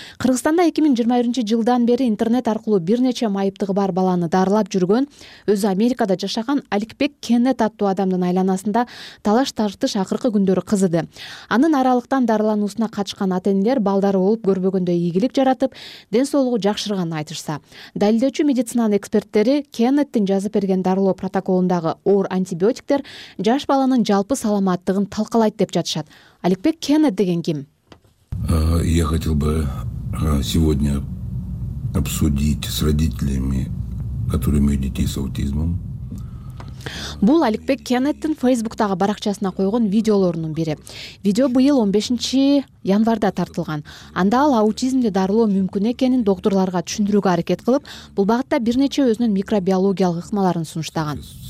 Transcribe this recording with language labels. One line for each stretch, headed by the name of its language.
Kyrgyz: Кыргызстанда 2021 жылдан бери интернет аркылуу бир нече майыптыгы бар баланы дарылап жүргөн, өзү Америкада жашаган Аликбек Кеннет аттуу адамдын айланасында талаш тартыш акыркы күндөрү кызыды. Анын аралыктан дарылануусуна катышкан ата-энелер балдары болуп көрбөгөндөй ийгилик жаратып, ден соолугу жакшырганын айтышса. Далилдөөчү медицинанын эксперттери Кеннеттин жазып берген дарылоо протоколундагы оор антибиотиктер жаш баланын жалпы саламаттыгын талкалайт деп жатышат. Аликбек Кеннет деген ким?
Russian: Я хотел бы сегодня обсудить с родителями, которые имеют детей с аутизмом.
Kyrgyz: Бул Аликбек Кеннеттин Facebook-тагы баракчасына койгон видеолорунун бири. Видео быйыл 15 январда тартылган. Анда ал аутизмди дарылоо мүмкүн экенин доктурларга түшүндүрүүгө аракет кылып, бул багытта бир нече өзүнүн микробиологиялык ыкмаларын сунуштаган.